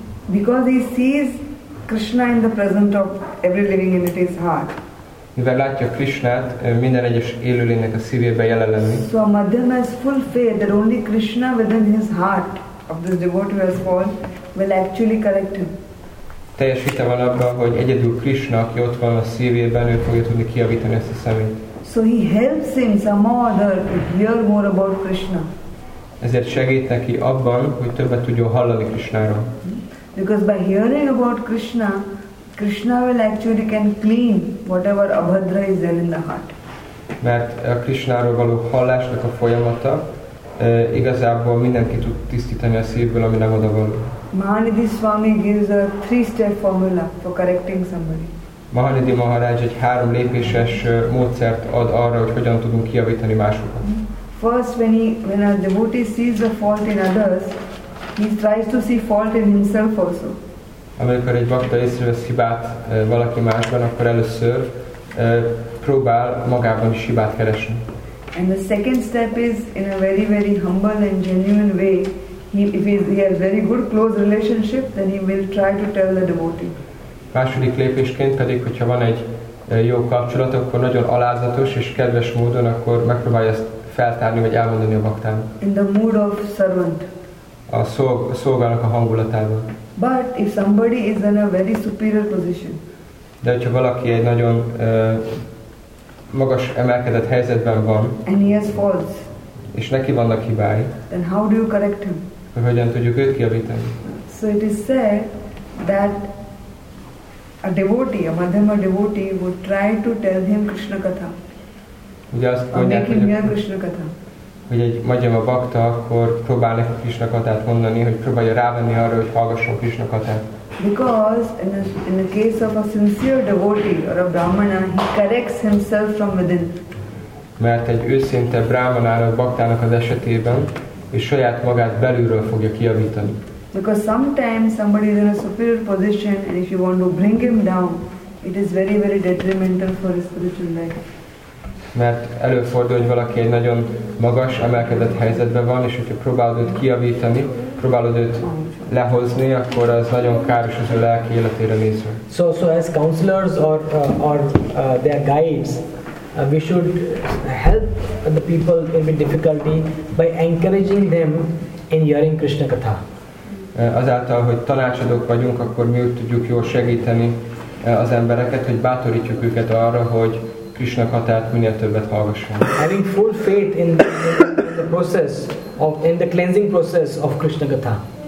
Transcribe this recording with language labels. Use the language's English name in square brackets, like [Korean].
[English] Because he sees Krishna in the presence of every living entity's heart. [Hungarian] Mivel látja Krishnát minden egyes élőlénynek a szívében jelen lenni. [English] So a madhyama has full faith that only Krishna within his heart of this devotee has fallen will actually correct him. [Hungarian] Teljes hite van abban, hogy egyedül Krishna, aki ott van a szívében, ő fogja tudni kijavítani ezt a szemét. [English] So he helps him somehow or other to hear more about Krishna. [Hungarian] Ezért segít neki abban, hogy többet tudjon hallani Krishnáról. [English] Because by hearing about Krishna, Krishna will actually can clean whatever abhadra is there in the heart. [Hungarian] Mert a Krishnáról való hallásnak a folyamata igazából mindenki tud tisztítani a szívből, ami nem oda való. [English] Mahanidhi Swami gives a three-step formula for correcting somebody. [Hungarian] Mahanidhi Maharaj egy három lépéses módszert ad arra, hogy hogyan tudunk kijavítani másokat. [English] First, when a devotee sees the fault in others, he tries to see fault in himself also. [Hungarian] Amikor egy bakta észrevesz hibát valaki másban, akkor először próbál magában is hibát keresni. [English] And the second step is in a very, very humble and genuine way. If he has very good close relationship, then he will try to tell the devotee. [Hungarian] Második lépésként pedig, hogyha van egy jó kapcsolat, akkor nagyon alázatos és kedves módon, akkor megpróbálja ezt feltárni vagy elmondani a baktának. [English] In the mood of servant. [Hungarian] A szolgának a hangulatában. [English] But if somebody is in a very superior position. [Hungarian] De hogyha valaki egy nagyon magas emelkedett helyzetben van. [English] And he has faults. [Hungarian] És neki vannak hibái. [English] Then how do you correct him? [Hungarian] Hogyan tudjuk őt kijavítani? [English] So it is said that a devotee, a madhyama devotee would try to tell him Krishna katha. [Hungarian] Ugye azt mondják, hogy a Krishna katha. Hogy egy madhyama bakta akkor próbál neki Krishna kathát mondani, hogy próbálja rávenni arra, hogy hallgasson Krishna kathát. [English] Because in the case of a sincere devotee or a brahmana, he corrects himself from within. [Hungarian] Mert egy őszinte brahmanának, baktának az esetében és saját magát belülről fogja kijavítani. [English] Because sometimes somebody is in a superior position and if you want to bring him down, it is very, very detrimental for his spiritual life. [Hungarian] Mert előfordul, hogy valaki egy nagyon magas, emelkedett helyzetben van, és hogyha próbálod őt kijavítani, próbálod őt lehozni, akkor az nagyon káros az ő lelki életére nézve. [English] So as counselors or their guides, we should help the people in difficulty by encouraging them in hearing Krishna katha. [Hungarian] Azáltal, hogy tanácsadók vagyunk, akkor mi úgy tudjuk jól segíteni az embereket, hogy bátorítjuk őket arra, hogy Krishna katát minél többet hallgasson. [English] Having full faith in the process of in the cleansing process of Krishna katha.